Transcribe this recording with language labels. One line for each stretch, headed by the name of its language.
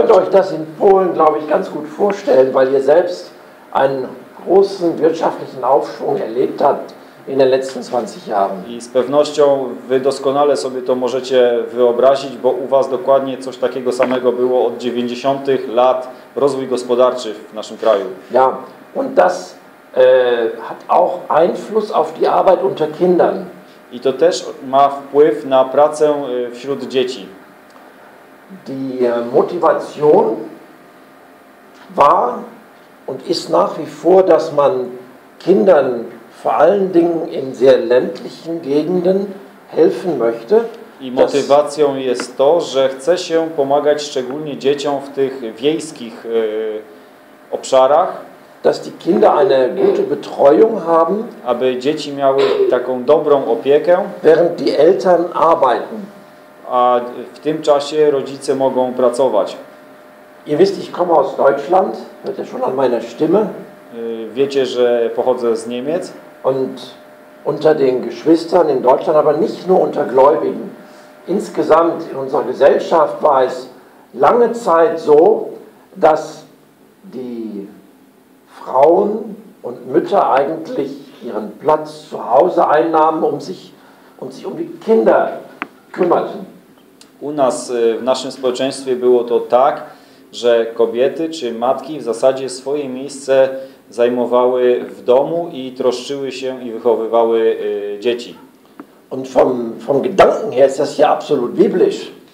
German: Ihr könnt euch das in Polen, glaube ich, ganz gut vorstellen, weil ihr selbst einen großen wirtschaftlichen Aufschwung erlebt habt in den letzten 20 Jahren.
Polish: I z pewnością wy doskonale sobie to możecie wyobrazić, bo u was dokładnie coś takiego samego było od 90. lat, rozwój gospodarczy w naszym kraju.
German: Ja, und das hat auch Einfluss auf die Arbeit unter Kindern.
Polish: I to też ma wpływ na pracę wśród dzieci.
German: Die Motivation war und ist nach wie vor, dass man Kindern vor allen Dingen in sehr ländlichen Gegenden helfen möchte.
Polish: I motywacją jest to, że chce się pomagać szczególnie dzieciom w tych wiejskich obszarach.
German: Dass die Kinder eine gute Betreuung haben,
Polish: aby dzieci miały taką dobrą opiekę,
German: während die Eltern arbeiten.
Polish: A w tym czasie rodzice mogą pracować.
German: Ihr wisst, ich komme aus Deutschland, hört ihr schon an meiner Stimme.
Polish: Wiecie, że pochodzę z Niemiec.
German: Und unter den Geschwistern in Deutschland, aber nicht nur unter Gläubigen. Insgesamt in unserer Gesellschaft war es lange Zeit so, dass die Frauen und Mütter eigentlich ihren Platz zu Hause einnahmen, um sich um die Kinder kümmerten.
Polish: U nas w naszym społeczeństwie było to tak, że kobiety czy matki w zasadzie swoje miejsce zajmowały w domu i troszczyły się i wychowywały dzieci.
German: Und vom Gedanken her ist das ja absolut biblisch.